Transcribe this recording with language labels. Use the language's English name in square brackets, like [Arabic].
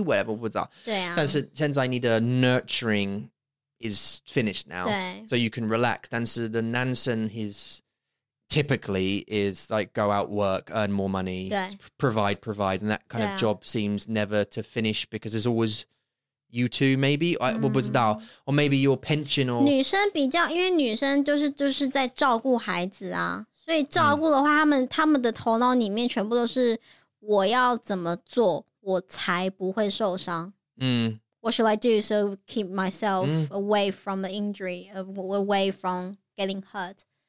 [English] Whatever, what's that? [Chinese] 但是现在你的 [English] nurturing is finished now. So you can relax. [Chinese] 但是的男生, [English] he's typically is like go out work, earn more money, provide. And that kind of job seems never to finish because there's always you two, maybe? Or maybe your pension or [Chinese] 女生比较，因为女生就是在照顾孩子啊。所以照顾的话，他们的头脑里面全部都是我要怎么做，我才不会受伤。 [English] What should I do so keep myself away from the injury, away from getting hurt?